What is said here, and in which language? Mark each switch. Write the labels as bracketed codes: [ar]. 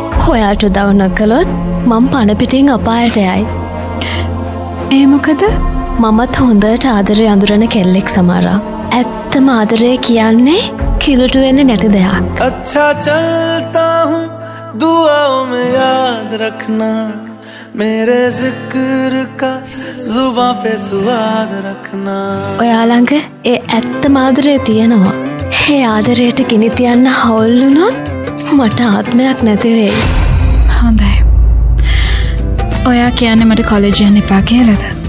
[si] ඔයාට උදව් නොකළොත් මං පණ පිටින් අපායට යයි. ඒ මොකද? මමත් හොඳට ආදරේ අඳුරන කෙල්ලෙක් සමාරා. ඇත්තම ආදරේ කියන්නේ කිලුටු වෙන්නේ නැති දෙයක්. [hi] अच्छा चलता हूं दुआओं में याद रखना मेरे जिक्र का जुबां पे स्वाद रखना. [si] ඔයා ළඟ ඒ ඇත්තම ආදරේ තියෙනවා. ඒ ආදරයට ගිනි තියන්න හවුල් වුණොත් මට ආත්මයක් නැති වෙයි. හොඳයි. ඔයා කියන්නේ මට කොලෙජ් යන්න එපා කියලාද?